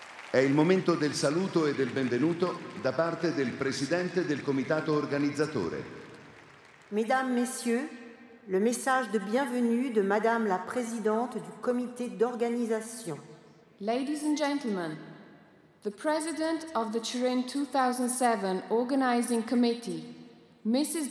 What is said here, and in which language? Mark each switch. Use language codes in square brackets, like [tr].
[it] È il momento del saluto e del benvenuto da parte del presidente del comitato organizzatore. [fr] Mesdames, messieurs, le message de bienvenue de madame la présidente du comité d'organisation. [en] Ladies and gentlemen, the president of the Turin 2007 organizing committee, Mrs.